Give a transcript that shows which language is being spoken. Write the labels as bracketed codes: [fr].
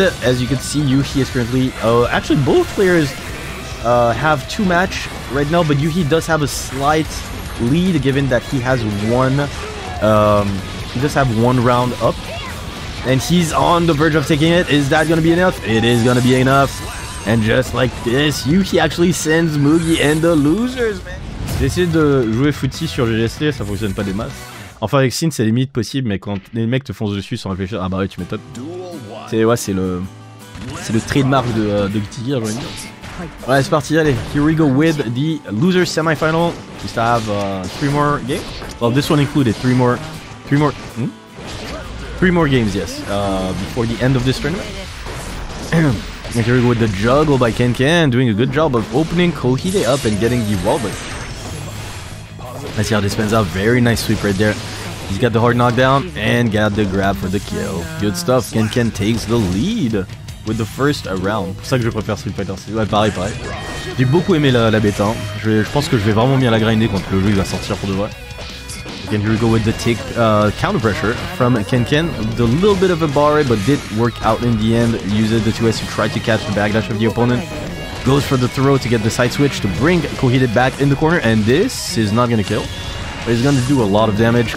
[en] As you can see, Yuuhi is currently... actually, both players have two match right now, but Yuuhi does have a slight lead, given that he has one... he does have one round up. And he's on the verge of taking it. Is that going to be enough? It is going to be enough. And just like this, Yuuhi actually sends Mugi and the losers, man. [fr] J'ai essayé de jouer footy sur GGST, ça fonctionne pas des masses. Enfin, avec Sin, c'est limite possible, mais quand les mecs te foncent dessus sans réfléchir... Ah bah ouais, tu m'étonnes. C'est, ouais, c'est le trademark de Guilty Gear, j'ai envie de dire. Ouais, c'est parti, allez. [en] Here we go with the loser semi-final. Just to have three more games. Well, this one included three more... Hmm? Three more games, yes, before the end of this tournament. And here we go with the juggle by Kenken, doing a good job of opening Kouhide up and getting the wall break. Let's see how this pans out. Very nice sweep right there. He's got the hard knockdown and got the grab for the kill. Good stuff. Kenken takes the lead with the first round. [fr] C'est ça que je préfère Street Fighter 6. Ouais, pareil. J'ai beaucoup aimé la bêta. Je pense que je vais vraiment bien la grinder quand le jeu va sortir pour de vrai. [en] And here we go with the take counter pressure from Kenken. The little bit of a bar, but did work out in the end. Uses the 2S to try to catch the backdash of the opponent. Goes for the throw to get the side switch to bring Kouhide back in the corner. And this is not going to kill. But he's going to do a lot of damage.